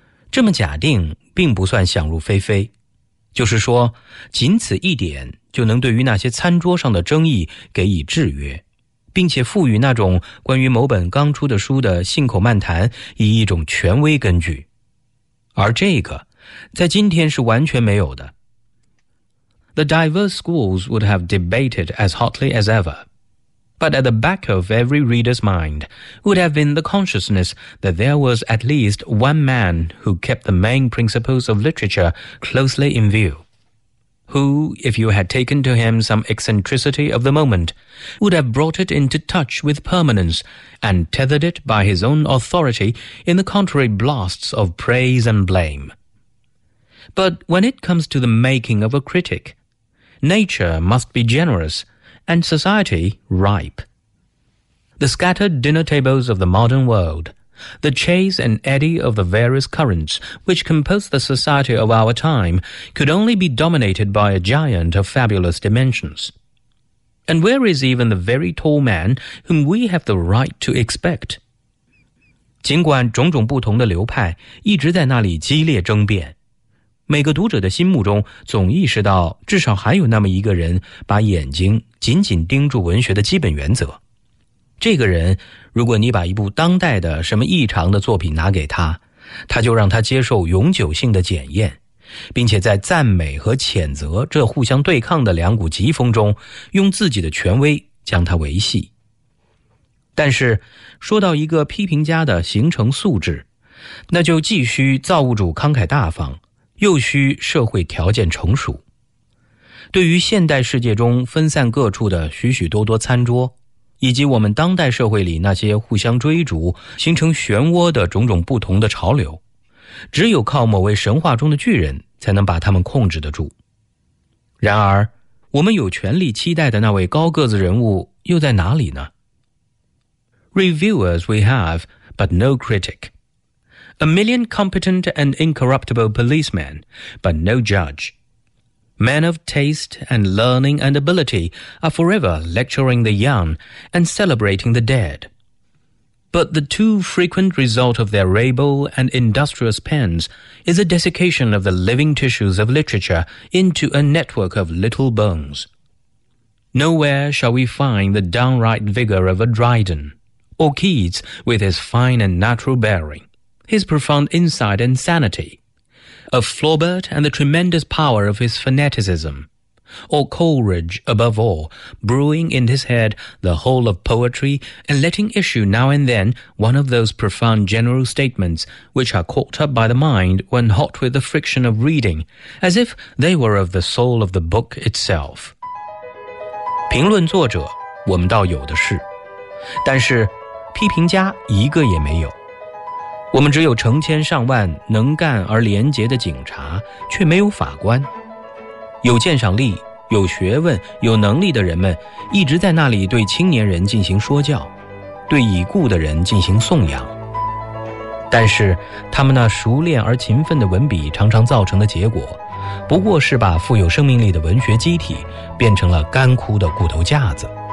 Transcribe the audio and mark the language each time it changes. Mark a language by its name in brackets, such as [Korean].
[Chinese] 这么假定并不算想入非非，就是说仅此一点就能对于那些餐桌上的争议给以制约，并且赋予那种关于某本刚出的书的信口漫谈以一种权威根据。而这个在今天是完全没有的。 [English] The diverse schools would have debated as hotly as ever, but at the back of every reader's mind would have been the consciousness that there was at least one man who kept the main principles of literature closely in view, who, if you had taken to him some eccentricity of the moment, would have brought it into touch with permanence and tethered it by his own authority in the contrary blasts of praise and blame. But when it comes to the making of a critic, nature must be generous and society ripe. The scattered dinner tables of the modern world, the chase and eddy of the various currents which compose the society of our time could only be dominated by a giant of fabulous dimensions. And where is even the very tall man whom we have the right to expect? [Chinese] 尽管种种不同的流派一直在那里激烈争辩，每个读者的心目中总意识到至少还有那么一个人把眼睛紧紧盯住文学的基本原则。这个人，如果你把一部当代的什么异常的作品拿给他，他就让他接受永久性的检验，并且在赞美和谴责这互相对抗的两股疾风中，用自己的权威将它维系。但是，说到一个批评家的形成素质，那就既需造物主慷慨大方，又需社会条件成熟。对于现代世界中分散各处的许许多多餐桌，以及我们当代社会里那些互相追逐、形成漩涡的种种不同的潮流，只有靠某位神话中的巨人才能把他们控制得住。然而，我们有权利期待的那位高个子人物又在哪里呢？ [English] Reviewers we have, but no critic. A million competent and incorruptible policemen, but no judge. Men of taste and learning and ability are forever lecturing the young and celebrating the dead. But the too frequent result of their able and industrious pens is a desiccation of the living tissues of literature into a network of little bones. Nowhere shall we find the downright vigor of a Dryden, or Keats with his fine and natural bearing, his profound insight and sanity, of Flaubert and the tremendous power of his fanaticism, or Coleridge, above all, brewing in his head the whole of poetry and letting issue now and then one of those profound general statements which are caught up by the mind when hot with the friction of reading, as if they were of the soul of the book itself. [Chinese] 评论作者我们倒有的是，但是批评家一个也没有。我们只有成千上万能干而廉洁的警察，却没有法官。有鉴赏力、有学问、有能力的人们一直在那里对青年人进行说教，对已故的人进行颂扬，但是他们那熟练而勤奋的文笔常常造成的结果，不过是把富有生命力的文学机体变成了干枯的骨头架子。